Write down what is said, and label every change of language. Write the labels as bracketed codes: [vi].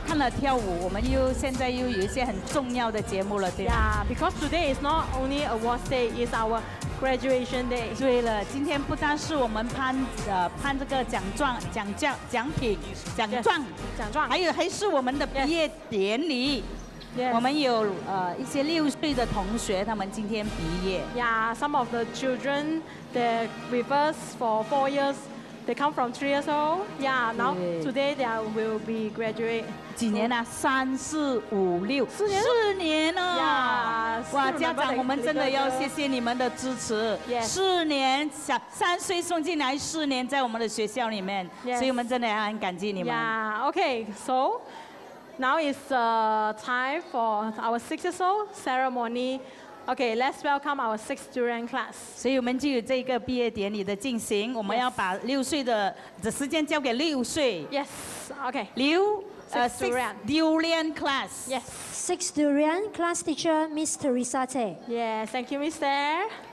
[zh] 看了跳舞，我们又现在又有一些很重要的节目了，对吧 [en] ？Yeah, because today is not only awards day, it's our graduation day. [zh] 对了，今天不但是我们颁颁这个奖状， yes, 奖状，还是我们的毕业典礼。 [en] Yes. [zh] 我们有一些六岁的同学，他们今天毕业。 [en] Yeah, some of the children they with us for 4 years. They come from 3 years old. Yeah, now today they will be graduate. [zh] 几年啊？三四五六。四年哦。 [en] Yeah, [zh] 哇，家长，我们真的要谢谢你们的支持。 [en] Yes. [zh] 4年，小三岁送进来，4年在我们的学校里面， [en] yes. [zh] 所以我们真的很感激你们。 [en] Yeah. Okay. So now is time for our 6 years old ceremony. Okay, let's welcome our 6th student class. [zh] 所以我们就有这个毕业典礼的进行。我们要把六岁的的时间交给六岁。 [en] Yes. Okay. [zh] 六 [en] 6th durian class. Yes. 6th durian class teacher Miss Teresa Tay. Yes. Thank you, Miss Tay.